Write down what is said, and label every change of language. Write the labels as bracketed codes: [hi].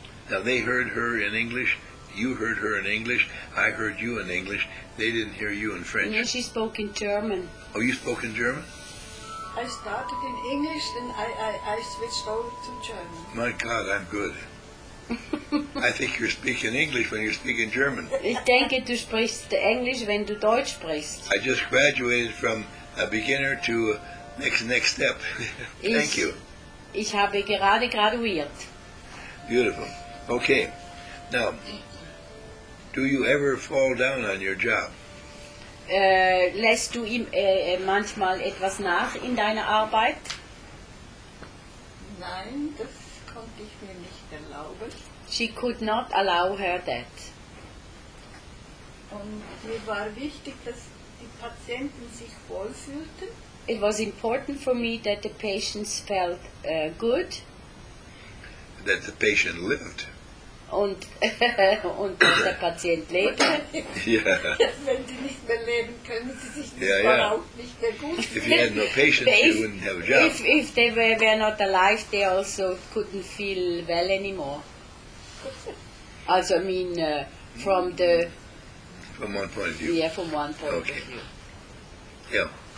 [en] Now they heard her in English, you heard her in English, I heard you in English, they didn't hear you in French. No, she spoke in German. Oh, you spoke in German? I started in English and I switched over to German. My God, I'm good. I think you're speaking English when you're speaking German. [de] Ich denke, du sprichst Englisch, wenn du Deutsch sprichst. [en] I just graduated from a beginner to next step. Thank you. [de] Ich habe gerade graduiert. [en] Beautiful. Okay. Now, do you ever fall down on your job? [de] Lässt du ihm manchmal etwas nach in deiner Arbeit? Nein, das konnte ich mir nicht erlauben. [en] She could not allow her that. [de] Und mir war wichtig, dass die Patienten sich wohlfühlten. [en] it was important for me that the patients felt good. That the patient lived. [de] Und und dass der Patient lebte. [en] Yeah. [de] Wenn die nicht mehr leben können, sie sich nicht yeah, yeah. überhaupt nicht mehr gut fühlen. [en] If you had no patients, they wouldn't have a job. If they were not alive, they also couldn't feel well anymore. Also, I mean, from the... From one point of view. Yeah, from one point okay. of view. Yeah.